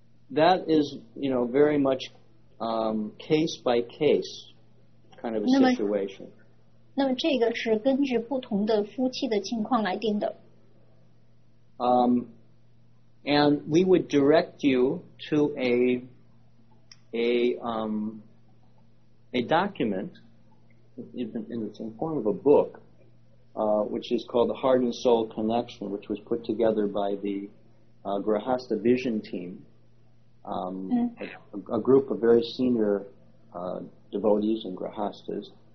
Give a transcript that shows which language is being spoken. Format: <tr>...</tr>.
<en>That is, you know, very much case by case kind of a situation.</en> <zh>那么这个是根据不同的夫妻的情况来定的。</zh> <en>And we would direct you to a document in the form of a book, which is called The Heart and Soul Connection, which was put together by the Grahastha Vision Team, a group of very senior devotees and grahasthas.</en>